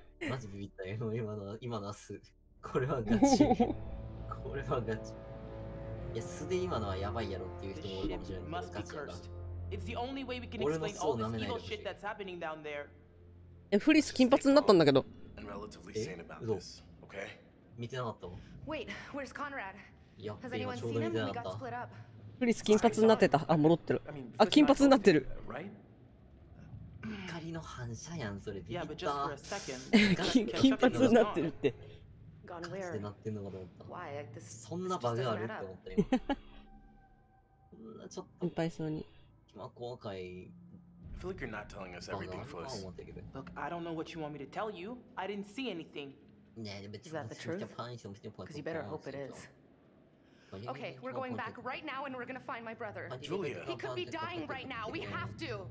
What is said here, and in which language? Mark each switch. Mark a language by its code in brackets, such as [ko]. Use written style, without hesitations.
[ja] マジビビったよ、今のはす。これはガチ。これはガチ。いや、素で今のはやばいやろっていう人もいるかもしれない。ガチやろ。 [en] It's the only way we can explain all this evil shit that's happening down there. [ja] え、フリス金髪になったんだけど。え、どう？見てなかったの？ [en] Wait, where's Conrad? Has anyone seen him? We got split up. [ja] フリス金髪になってた。あ、戻ってる。あ、金髪になってる。怒りの反射やん、それ。ビビった。金髪になってるって。感じでなってんのかと思った。そんなバグあるって思った今。ちょっと心配そうに。まあ、今回。 [en] I feel like you're not telling us everything, Fuss. Look, I don't know what you want me to tell you. I didn't see anything. Is that the truth? Because you better hope it is. Okay, we're going back right now and we're going to find my brother. Julia. He could be dying right now. We have to.